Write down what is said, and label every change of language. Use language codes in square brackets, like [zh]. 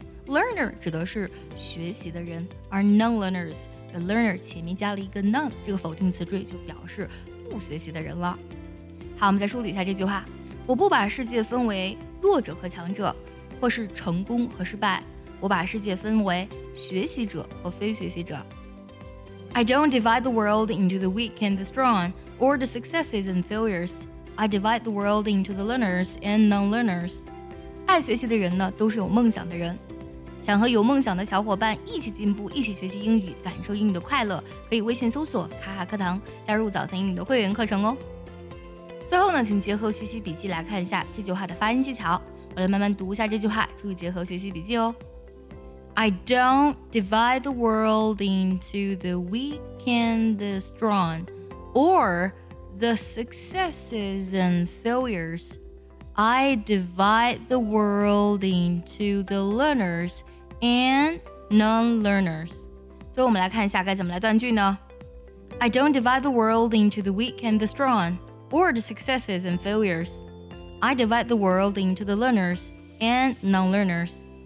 [zh] learner 指的是学习的人，而 [en] non-learners the learner [zh] 前面加了一个 non 这个否定词缀，就表示不学习的人了。好，我们再梳理一下这句话，我不把世界分为弱者和强者，或是成功和失败，我把世界分为学习者和非学习者。 [en] I don't divide the world into the weak and the strong, or the successes and failures. I divide the world into the learners and non-learners. [zh] 爱学习的人呢，都是有梦想的人。想和有梦想的小伙伴一起进步，一起学习英语，感受英语的快乐，可以微信搜索卡卡课堂，加入早餐英语的会员课程哦。最后呢，请结合学习笔记来看一下这句话的发音技巧。我来慢慢读一下这句话，注意结合学习笔记哦。 [en] I don't divide the world into the weak and the strong, or the successes and failures. I divide the world into the learners and non-learners. [zh] 所以我们来看一下该怎么来断句呢？ [en] I don't divide the world into the weak and the strong, or the successes and failures. I divide the world into the learners and non-learners.